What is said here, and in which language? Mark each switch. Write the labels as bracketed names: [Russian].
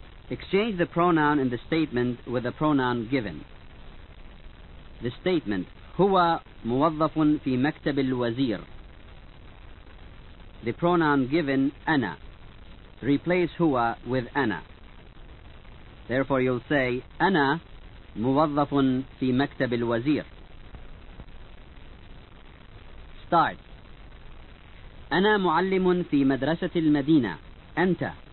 [English] Exchange the pronoun in the statement with the pronoun given. The statement, [Arabic] هو موظف في مكتب الوزير. [English] The pronoun given, أنا. Replace [Arabic] هو [English] with [Arabic] أنا. [English] Therefore you'll say, [Arabic] أنا موظف في مكتب الوزير. [English] Start. [Arabic] أنا معلم في مدرسة المدينة. أنت.